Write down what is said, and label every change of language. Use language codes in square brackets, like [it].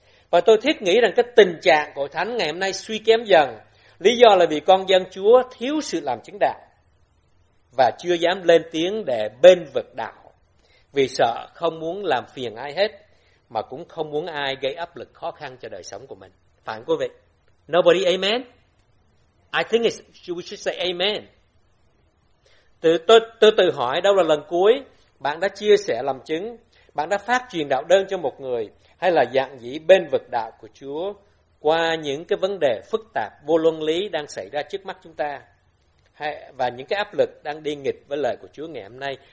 [vi] Và tôi thiết nghĩ rằng cái tình trạng của Thánh ngày hôm nay suy kém dần. Lý do là vì con dân Chúa thiếu sự làm chứng đạo. Và chưa dám lên tiếng để bên vực đạo. Vì sợ không muốn làm phiền ai hết. Mà cũng không muốn ai gây áp lực khó khăn cho đời sống của mình. Phải không quý vị? [en] Nobody amen? I think it's, we should say amen. [vi] Tôi tự hỏi đâu là lần cuối bạn đã chia sẻ làm chứng, bạn đã phát truyền đạo đơn cho một người, hay là dạng dĩ bên vực đạo của Chúa qua những cái vấn đề phức tạp, vô luân lý đang xảy ra trước mắt chúng ta, hay, và những cái áp lực đang đi nghịch với lời của Chúa ngày hôm nay.